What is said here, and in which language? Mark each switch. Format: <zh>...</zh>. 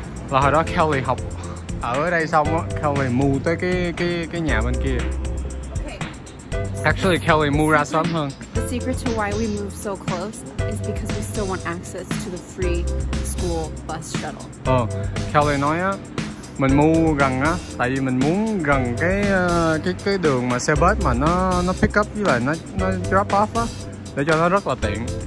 <vi>Là hồi đó Kelly học ở đây xong á, Kelly move tới cái nhà bên kia.</vi> <en>Okay.</en> <vi>Actually, Kelly move ra sớm hơn.</vi> <en>The secret to why we move so close is because we still want access to the free school bus shuttle.</en> <vi>Kelly nói á, mình move gần á, tại vì mình muốn gần cái đường mà xe bus mà nó pick up với lại nó drop off á, để cho nó rất là tiện.</vi>